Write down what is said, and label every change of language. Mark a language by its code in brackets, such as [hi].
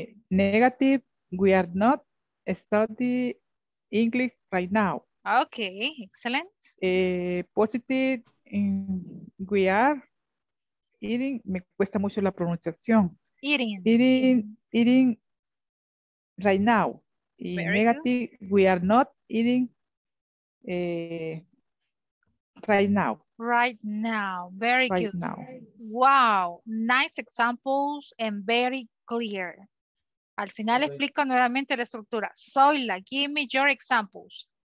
[en] Negative, we are not studying English right now. Okay, excellent. Positive, we are eating, [es] me cuesta mucho la pronunciación. [en] Eating right now. Y negative, we are not eating right now. Right now, very good. Wow, nice examples and very clear. [es] Al final explico nuevamente la estructura. Zoila, [en] give me your examples.